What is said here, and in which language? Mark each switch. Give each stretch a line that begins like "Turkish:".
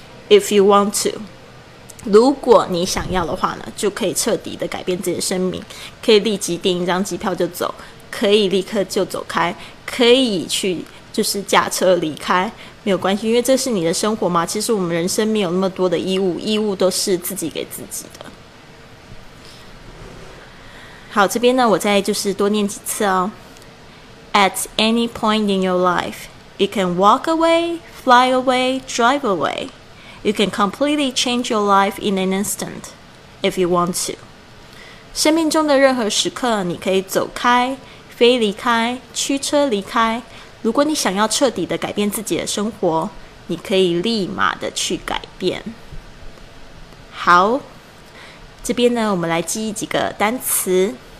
English: If you want to，
Chinese: 如果你想要的话呢，就可以彻底的改变自己的生命，可以立即订一张机票就走，可以立刻就走开，可以去就是驾车离开，没有关系，因为这是你的生活嘛。其实我们人生没有那么多的义务，义务都是自己给自己的。好，这边呢，我再就是多念几次哦。
English: At any point in your life, you can walk away, fly away, drive awayYou can completely change your life in an instant, if you want to.
Chinese: 生命中的任何时刻，你可以走开、飞离开、驱车离开。如果你想要彻底的改变自己的生活，你可以立马的去改变。好，这边呢，我们来记忆几个单词。